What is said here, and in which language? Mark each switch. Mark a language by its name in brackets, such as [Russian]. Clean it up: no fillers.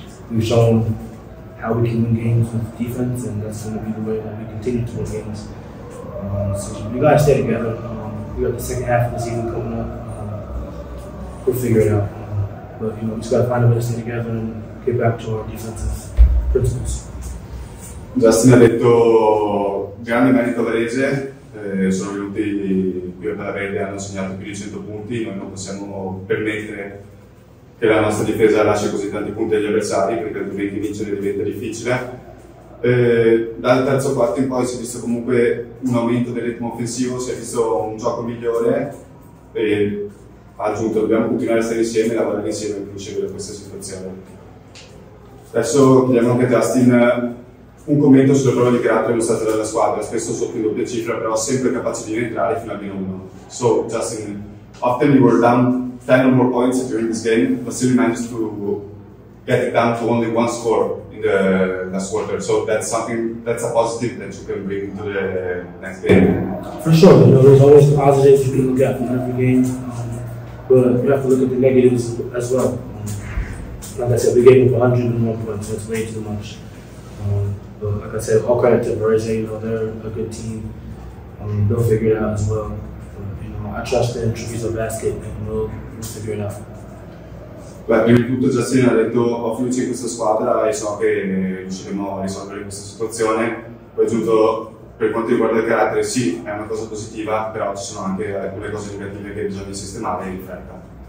[English] We've shown how we can win games with defense, and that's going to be the way that we continue to win games. So we gotta stay together. We got the second half of the season coming up. We'll figure it out. But you know, we just gotta find a way to stay together and get back to our defensive principles. [Italian] Justin ha detto grande merito Varese, sono venuti qui a Palaverde, hanno segnato più di 100 punti, noi non possiamo permettere che la nostra difesa lascia così tanti punti agli avversari, perché altrimenti vincere diventa difficile. Dal terzo quarto in poi si è visto comunque un aumento del ritmo offensivo, si è visto un gioco migliore e ha aggiunto dobbiamo continuare a stare insieme e lavorare insieme per uscire da questa situazione. Adesso chiediamo anche a Justin un commento sulla prova di carattere mostrata dalla squadra, spesso sotto in doppia cifra, però sempre capace di rientrare fino a meno uno. [English] So, Justin, often you were down 10 or more points during this game, but still you managed to get it down to only one score in the last quarter. So that's something, that's a positive that you can bring to the next game. For sure, you know, there's always positives you can look at from every game, but you have to look at the negatives as well. Like I said, we gave up 100 and more points, that's way too much. But like I said, all credit to Varese, you know, they're a good team. They'll figure it out as well. But, you know, I trust them, Treviso Basket, and we'll figure it out. [Italian] Beh, prima di tutto Justin ha detto ho fiducia in questa squadra e so che riusciremo a risolvere questa situazione. Poi ha aggiunto, per quanto riguarda il carattere, sì, è una cosa positiva, però ci sono anche alcune cose negative che bisogna sistemare in fretta.